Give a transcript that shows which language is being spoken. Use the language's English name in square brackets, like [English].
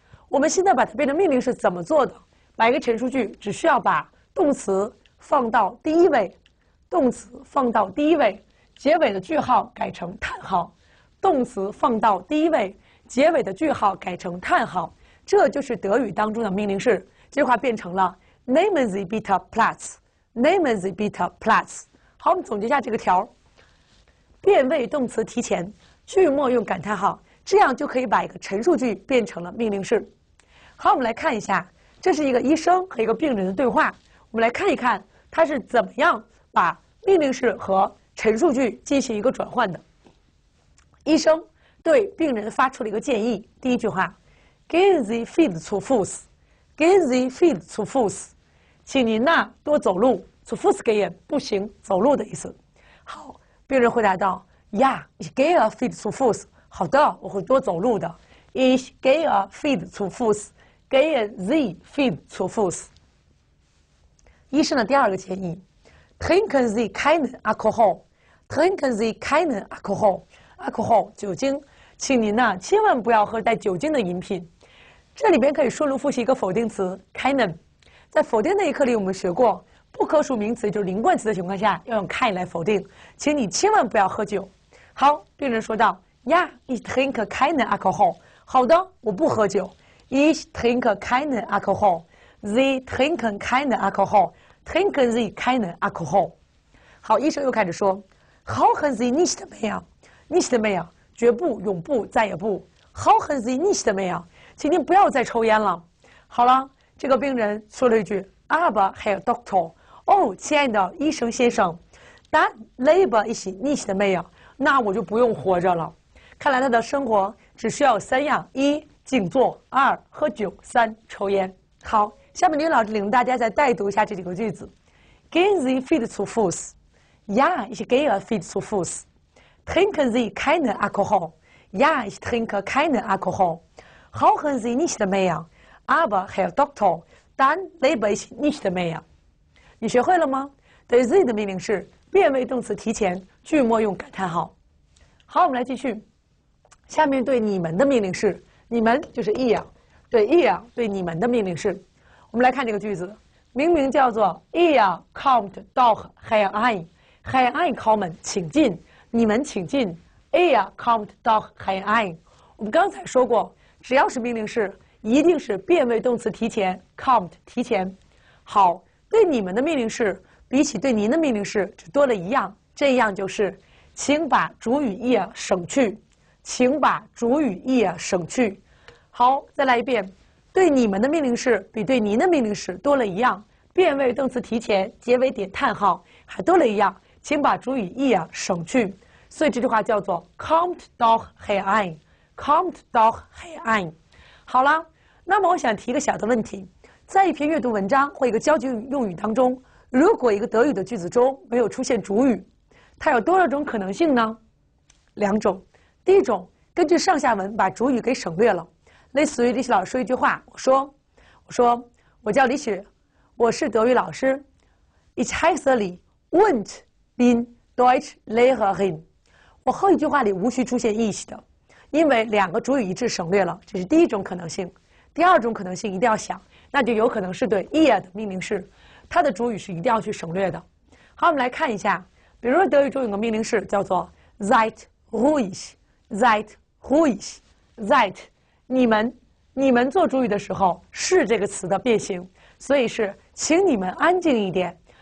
[Chinese] 我们现在把它变成命令式怎么做的？把一个陈述句只需要把动词放到第一位，动词放到第一位，结尾的句号改成叹号，动词放到第一位，结尾的句号改成叹号，这就是德语当中的命令式。这句话变成了 [German] Nehmen Sie bitte Platz， Nehmen Sie bitte Platz。 [Chinese] 好，我们总结一下这个条，变位动词提前，句末用感叹号，这样就可以把一个陈述句变成了命令式。好，我们来看一下，这是一个医生和一个病人的对话，我们来看一看他是怎么样把命令式和陈述句进行一个转换的。医生对病人发出了一个建议，第一句话 [German] Gehen Sie viel zu Fuß， [Chinese] Gehen Sie viel zu Fuß， 请您呢多走路， [German] zu Fuß gehen [Chinese] 不行，走路的意思。好，病人回答道， [German] Ja, ich gehe viel zu Fuß， [Chinese] 好的，我会多走路的。 [German] Ich gehe viel zu Fuß， Gehen Sie viel zu Fuß。 [Chinese] 医生的第二个建议， [German] Trinken Sie keinen Alkohol， [Chinese] Trinken Sie keinen Alkohol， Alkohol 酒精，请您呢千万不要喝带酒精的饮品。这里边可以顺路复习一个否定词 keinen， 在否定那一课里我们学过，不可数名词就是零冠词的情况下要用 kein 来否定，请你千万不要喝酒。好，病人说道， [German] Ja, ich trinke keinen Alkohol， [Chinese] 好的，我不喝酒。 [German] Ich trinke keinen Alkohol， Sie trinken keinen Alkohol， Trinken Sie keinen Alkohol。 [Chinese] 好，医生又开始说， [German] Rauchen Sie nicht mehr， Nicht mehr， [Chinese] 绝不，永不，再也不。 [German] Rauchen Sie nicht mehr， [Chinese] 请您不要再抽烟了。好了，这个病人说了一句 [German] Aber Herr Doktor， [Chinese] 哦，亲爱的医生先生， [German] Dann lebe ich nicht mehr， [Chinese] 那我就不用活着了。看来他的生活只需要三样：一，静坐；二，喝酒；三，抽烟。好，下面刘老师领大家再带读一下这几个句子。 [German] Gehen Sie viel zu Fuß， Ja, ich gehe viel zu Fuß。 Trinken Sie keinen Alkohol， Ja, ich trinke keinen Alkohol。 Rauchen Sie nicht mehr， Aber Herr Doktor，Dann lebe ich nicht mehr。 [Chinese] 你学会了吗？对 Z 的命令是变位动词提前，句末用感叹号。好，我们来继续，下面对你们的命令是，你们就是 ihr， 对 ihr 对你们的命令是，我们来看这个句子，明明叫做 [German] ihr kommt doch herein， herein kommen [Chinese] 请进，你们请进。 [German] ihr kommt doch herein， [Chinese] 我们刚才说过，只要是命令是，一定是变位动词提前 ，kommt 提前。好，对你们的命令式比起对您的命令式只多了一样，这样就是，请把主语 ihr 省去，请把主语 ihr 省去。好，再来一遍，对你们的命令式比对您的命令式多了一样，变位动词提前，结尾点叹号，还多了一样，请把主语 ihr 省去。所以这句话叫做 [German] kommt doch herein， kommt doch herein。 [Chinese] 好了，那么我想提一个小的问题，在一篇阅读文章或一个交际用语当中，如果一个德语的句子中没有出现主语，它有多少种可能性呢？两种。第一种，根据上下文把主语给省略了，类似于李雪老师说一句话，我说我叫李雪，我是德语老师。 [German] Ich heiße Li und bin Deutschlehrerin。 [Chinese] 我后一句话里无需出现 ich 的，因为两个主语一致省略了，这是第一种可能性。第二种可能性一定要想，那就有可能是对 ihr 的命令式，它的主语是一定要去省略的。好，我们来看一下，比如说德语中有个命令式叫做 [German] seid ruhig， seid ruhig， [Chinese] seid 你们做主语的时候是这个词的变形，所以是请你们安静一点。